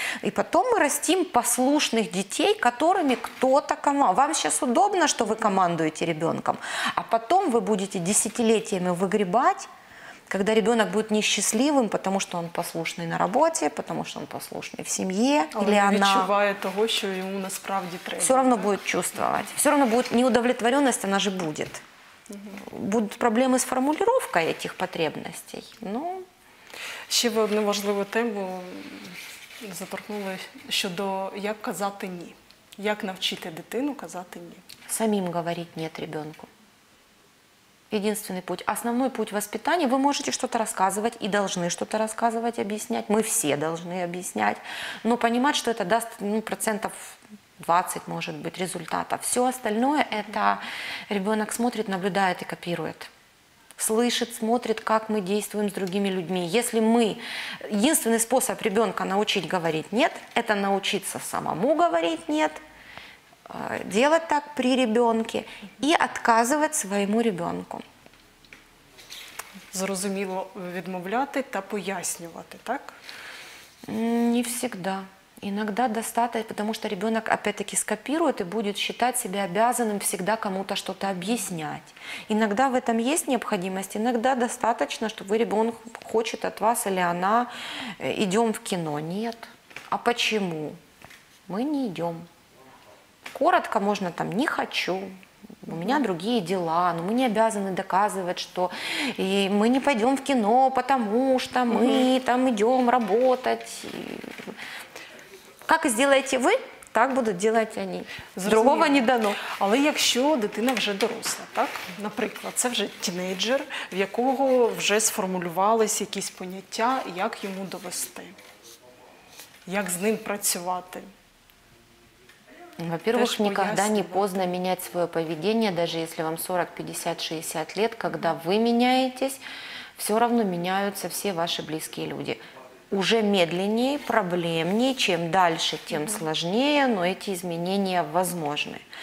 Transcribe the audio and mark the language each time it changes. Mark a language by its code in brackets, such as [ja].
[ru] И потом мы растим послушных детей, которыми кто-то командует. Вам сейчас удобно, что вы командуете ребенком, а потом вы будете десятилетиями выгребать, когда ребенок будет несчастливым, потому что он послушный на работе, потому что он послушный в семье, или он она... [uk] Он відчуває того, що йому насправді треба. [ru] Все равно будет чувствовать. Все равно будет неудовлетворенность, она же будет. Угу. Будут проблемы с формулировкой этих потребностей. Ну... [uk] Ще ви одну важливу тему заторкнули, щодо як казати «ні». Як навчити дитину казати «ні». [ru] Самим говорить «нет» ребенку. Единственный путь, основной путь воспитания, вы можете что-то рассказывать и должны что-то рассказывать, объяснять. Мы все должны объяснять. Но понимать, что это даст ну, процентов 20, может быть, результата. Все остальное это ребенок смотрит, наблюдает и копирует. Слышит, смотрит, как мы действуем с другими людьми. Если мы... Единственный способ ребенка научить говорить «нет» – это научиться самому говорить «нет». Делать так при ребенке и отказывать своему ребенку. [uk] Зрозуміло, відмовляти та пояснювати, так? [ru] Не всегда. Иногда достаточно, потому что ребенок опять-таки скопирует и будет считать себя обязанным всегда кому-то что-то объяснять. Иногда в этом есть необходимость, иногда достаточно, чтобы ребенок хочет от вас или она, идем в кино. Нет. А почему? Мы не идем. Коротко можно там «не хочу», «у меня другие дела», но мы не обязаны доказывать, что и мы не пойдем в кино, потому что мы там идем работать. Как сделаете вы, так будут делать они. [uk] Зрозуміло. Другого не дано. Але якщо дитина вже доросла, так? Наприклад, це вже тінейджер, в якого вже сформулювалися якісь поняття, як йому довести, як з ним працювати. [ru] Во-первых, никогда не поздно менять свое поведение, даже если вам 40, 50, 60 лет, когда вы меняетесь, все равно меняются все ваши близкие люди. уже медленнее, проблемнее, чем дальше, тем сложнее, но эти изменения возможны.